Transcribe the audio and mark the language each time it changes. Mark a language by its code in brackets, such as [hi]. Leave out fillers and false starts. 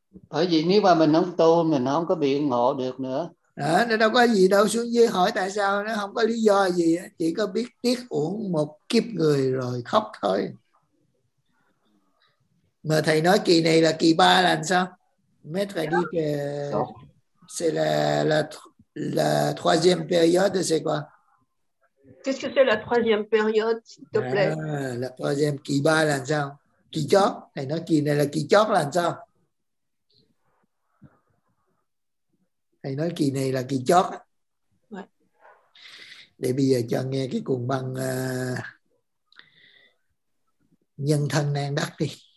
[vi] Bởi vì nếu mà mình không tu, mình không có biện hộ được nữa. Nó đâu có gì đâu, xuống dưới hỏi tại sao, nó không có lý do gì. Chỉ có biết tiếc uổng một kiếp người rồi khóc thôi. Mà thầy nói kỳ này là kỳ ba là làm sao? [fr] Mais [vi] thầy đi kìa. [fr] C'est la troisième période, c'est quoi? Qu'est-ce que c'est la troisième période, s'il te plaît? La troisième, [vi] kỳ ba là sao? Kỳ chót, thầy nói kỳ này là kỳ chót là sao? Thầy nói kỳ này là kỳ chót. Để bây giờ cho nghe cái cuộn băng Nhân thân nan đắc đi.